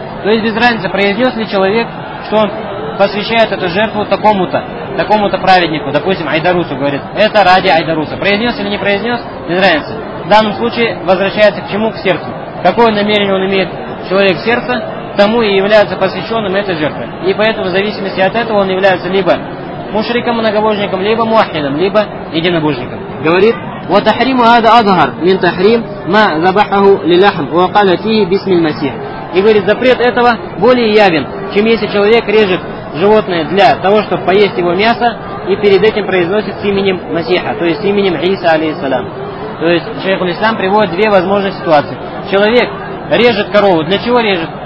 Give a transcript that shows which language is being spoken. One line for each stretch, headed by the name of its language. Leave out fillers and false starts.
Russian: То есть без разницы, произнес ли человек, что он посвящает эту жертву такому-то, такому-то праведнику, допустим, Айдарусу говорит, это ради Айдаруса. Произнес или не произнес, без разницы. В данном случае возвращается к чему? К сердцу. Какое намерение он имеет, человек сердца, тому и является посвященным этой жертвой. И поэтому в зависимости от этого он является либо мушриком, многобожником, либо муахидом, либо единобожником.
Arabic: Говорит, وَتَحْرِيمُ هَذَا أَظْهَرْ مِنْ تَحْرِيمْ مَا ذَبَحَهُ لِلَحْمْ وَقَالَ تِهِ بِسْمِ الْمَسِيحِ.
Russian: И говорит, запрет этого более явен, чем если человек режет животное для того, чтобы поесть его мясо, и перед этим произносит с именем Масиха, то есть с именем Иса, алейхиссалям. То есть шейх-ул-Ислам приводит две возможные ситуации. Человек режет корову. Для чего режет?